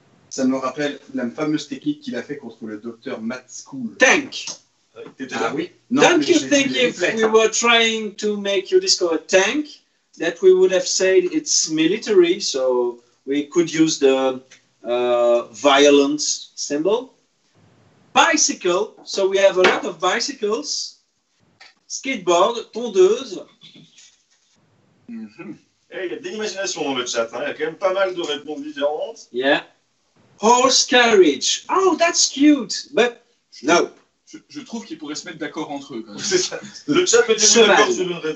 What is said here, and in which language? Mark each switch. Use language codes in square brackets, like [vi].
[fr] Ça me rappelle la fameuse technique qu'il a fait contre le docteur Matt School. [en] Tank. [fr] Ah oui. [en] Non, don't you think if we were trying to make you discover tank, that we would have said it's military, so we could use the violence symbol. Bicycle, so we have a lot of bicycles, skateboard, tondeuse. [fr] Hey, y a de l'imagination dans le chat, hein. Y a quand même pas mal de réponses différentes. [en] Yeah. Horse carriage. Oh, that's cute. But no. [fr] Je trouve qu'ils pourraient se mettre d'accord entre eux. Quand même. C'est ça. Le chat peut être d'accord sur une réponse.